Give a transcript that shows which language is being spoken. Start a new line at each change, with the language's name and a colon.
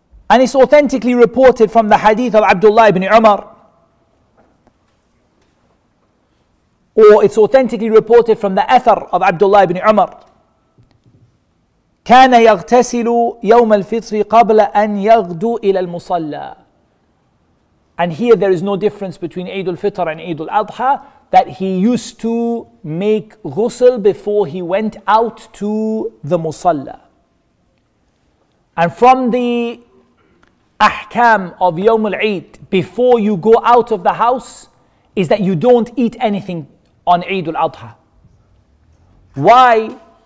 English: And it's authentically reported from the hadith of Abdullah ibn Umar, or it's authentically reported from the athar of Abdullah ibn Umar.
Arabic: كان يغتسل يوم الفطر قبل أن يغدو إلى المصلى.
English: And here there is no difference between Eid al-Fitr and Eid al-Adha, that he used to make ghusl before he went out to the musalla. And from the ahkam of Yawm al-Eid, before you go out of the house, is that you don't eat anything on Eid al-Adha. Why?